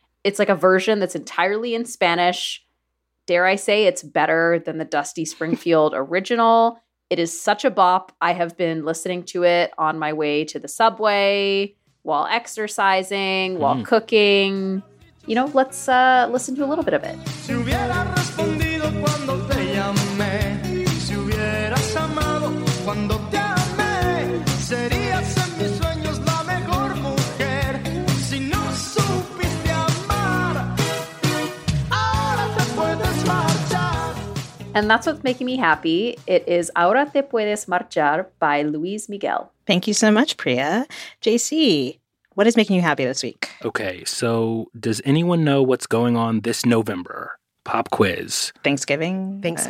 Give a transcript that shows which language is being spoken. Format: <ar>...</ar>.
<en>It's like a version that's entirely in Spanish. Dare I say it's better than the Dusty Springfield original. It is such a bop. I have been listening to it on my way to the subway, while exercising, while cooking. You know, let's listen to a little bit of it.</en> <es>Si hubiera respondido cuando te llamé, si hubieras amado cuando te amé, serías en mis sueños la mejor mujer, si no supiste amar, ahora te puedes marchar.</es> <en>And that's what's making me happy. It is Ahora Te Puedes Marchar by Luis Miguel. Thank you so much, Priya. JC, what is making you happy this week? Okay, so does anyone know what's going on this November? Pop quiz. Thanksgiving.</en>